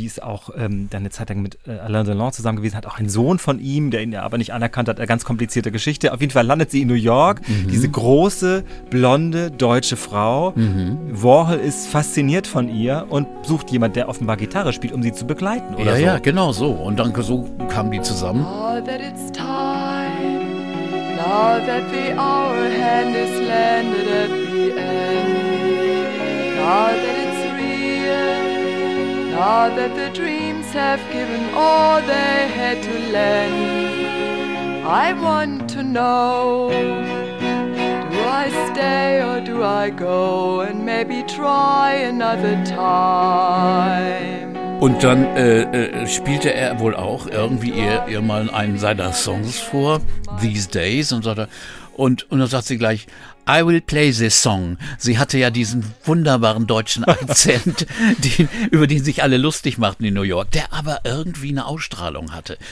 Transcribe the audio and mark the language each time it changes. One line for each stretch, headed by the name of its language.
German: Sie ist auch dann eine Zeit lang mit Alain Delon zusammen gewesen, hat auch einen Sohn von ihm, der ihn aber nicht anerkannt hat, eine ganz komplizierte Geschichte. Auf jeden Fall landet sie in New York, diese große blonde deutsche Frau. Warhol ist fasziniert von ihr und sucht jemand, der offenbar Gitarre spielt, um sie zu begleiten oder ja, so. Ja, genau so. Und dann so kamen die zusammen.
English: Now that it's time, now that the hour hand is landed at the end, now that it's real, now that the dreams have given all they had to lend, I want to know, do I stay or do I go and maybe try another time?
German: Und dann spielte er wohl auch irgendwie ihr mal einen seiner Songs vor, These Days, und so weiter. Und dann sagt sie gleich,
English: I will play this song.
German: Sie hatte ja diesen wunderbaren deutschen Akzent, über den sich alle lustig machten in New York, der aber irgendwie eine Ausstrahlung hatte.